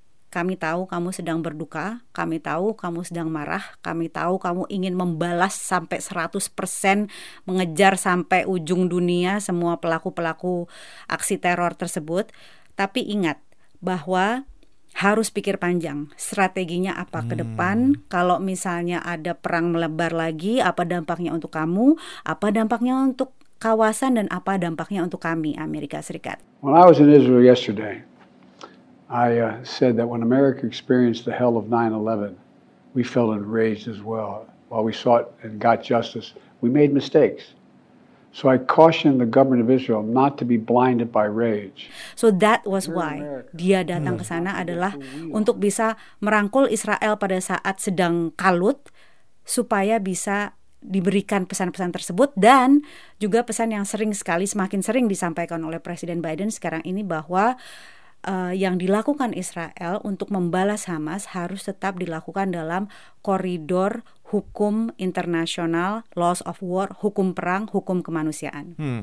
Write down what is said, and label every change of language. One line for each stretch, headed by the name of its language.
Indonesian: kami tahu kamu sedang berduka, kami tahu kamu sedang marah, kami tahu kamu ingin membalas sampai 100%, mengejar sampai ujung dunia semua pelaku-pelaku aksi teror tersebut. Tapi ingat bahwa harus pikir panjang, strateginya apa ke depan, kalau misalnya ada perang melebar lagi, apa dampaknya untuk kamu, apa dampaknya untuk kawasan, dan apa dampaknya untuk kami, Amerika Serikat.
English: When I was in Israel yesterday, I said that when America experienced the hell of 9/11, we felt enraged as well. While we sought and got justice, we made mistakes. So I cautioned the government of Israel not to be blinded by rage. So that was why
Indonesian: dia datang ke sana adalah untuk bisa merangkul Israel pada saat sedang kalut, supaya bisa diberikan pesan-pesan tersebut. Dan juga pesan yang sering sekali, semakin sering disampaikan oleh Presiden Biden sekarang ini, bahwa yang dilakukan Israel untuk membalas Hamas harus tetap dilakukan dalam koridor hukum internasional,
English: laws of war,
Indonesian: hukum perang, hukum kemanusiaan.